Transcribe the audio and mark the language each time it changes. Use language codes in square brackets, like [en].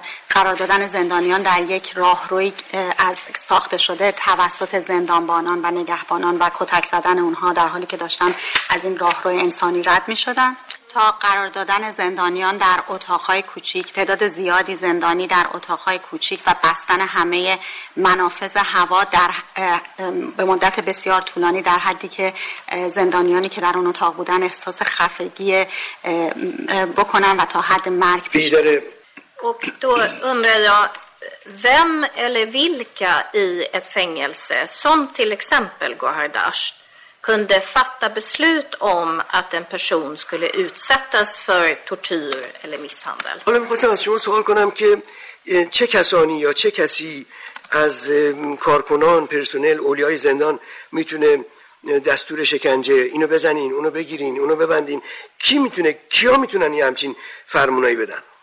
[fa] قرار دادن زندانیان در یک راهروی از ساخته شده توسط زندانبانان و نگهبانان و کتک زدن اونها در حالی که داشتن از این راهروی انسانی رد می‌شدن، تا قرار دادن زندانیان در اتاق‌های کوچیک، تعداد زیادی زندانی در اتاق‌های کوچیک و بستن همه منافذ هوا در به مدت بسیار طولانی، در حدی که زندانیانی که در اون اتاق بودن احساس خفگی بکنن و تا حد مرگ پیش بره. [sv] Och då undrar jag vem eller vilka i ett fängelse som till exempel Gohardasht kunde fatta beslut om att en person skulle utsättas för tortyr eller misshandel. [fa] حالا می‌خواستم از شما سوال کنم که چه کسانی یا چه کسی از کارکنان، پرسنل، اولیای زندان میتونه دستور شکنجه، اینو بزنین، اونو بگیرین، اونو ببندین، کی میتونه، کیا میتونن این همچین فرمونایی بدن؟